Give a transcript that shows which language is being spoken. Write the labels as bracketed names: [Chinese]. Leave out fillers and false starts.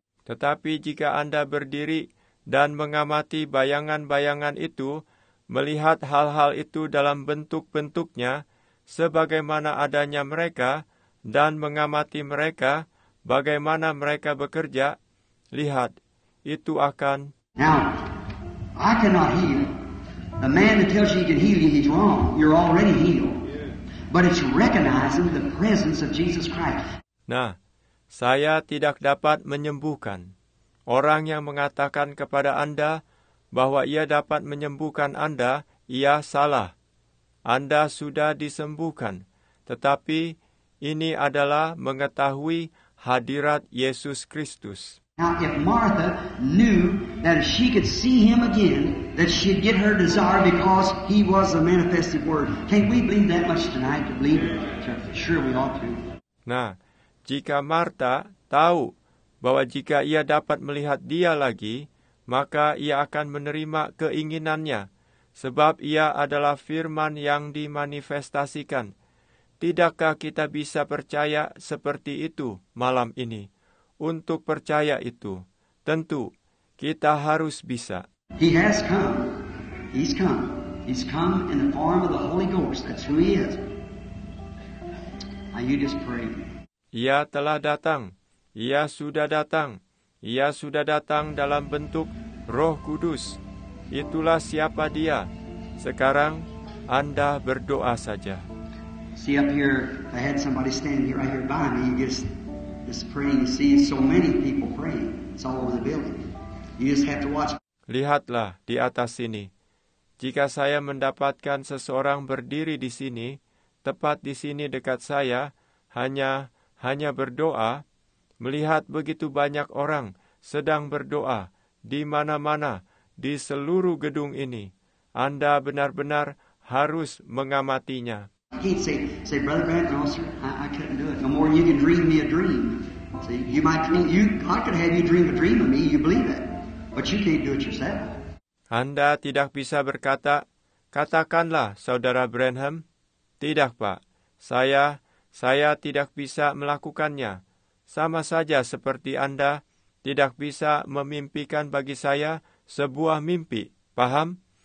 [Indonesian] Tetapi jika Anda berdiri dan mengamati bayangan-bayangan itu, melihat hal-hal itu dalam bentuk-bentuknya, sebagaimana adanya mereka, dan mengamati mereka, bagaimana mereka bekerja, lihat, itu akan. [English] Now, I cannot heal. The man that tells you he can heal you, he's wrong. You're already healed. But it's recognizing the presence of Jesus Christ. [Indonesian] Nah, saya tidak dapat menyembuhkan. Orang yang mengatakan kepada Anda bahwa ia dapat menyembuhkan Anda, ia salah. Anda sudah disembuhkan. Tetapi ini adalah mengetahui hadirat Yesus Kristus. [English] Now, if Martha knew that if she could see him again, that she'd get her desire because he was the manifested word. Can't we believe that much tonight to believe it? Sure, we ought to. [Indonesian] Nah, jika Martha tahu bahwa jika ia dapat melihat dia lagi, maka ia akan menerima keinginannya, sebab ia adalah firman yang dimanifestasikan. Tidakkah kita bisa percaya seperti itu malam ini? Untuk percaya itu, tentu kita harus bisa. [English] He has come. He's come. He's come in the form of the Holy Ghost. That's who he is. Now you just pray. [Indonesian] Ia telah datang. Ia sudah datang. Ia sudah datang dalam bentuk Roh Kudus. Itulah siapa dia. Sekarang Anda berdoa saja. [English] See up here, I had somebody standing here right here by me. Just praying, you see so many people praying. It's all over the building. You just have to watch. [Indonesian] Lihatlah di atas sini. Jika saya mendapatkan seseorang berdiri di sini, tepat di sini dekat saya, hanya berdoa, melihat begitu banyak orang sedang berdoa di mana-mana di seluruh gedung ini, Anda benar-benar harus mengamatinya. [English] Say, Brother Branham, no, sir, I couldn't do it. No more you can dream me a dream. See, you might dream, God could have you dream a dream of me, you believe it. But you can't do it yourself. [Indonesian] Anda tidak bisa berkata, katakanlah, Saudara Branham, tidak, Pak, saya tidak bisa melakukannya. Sama saja seperti Anda tidak bisa memimpikan bagi saya sebuah mimpi, paham?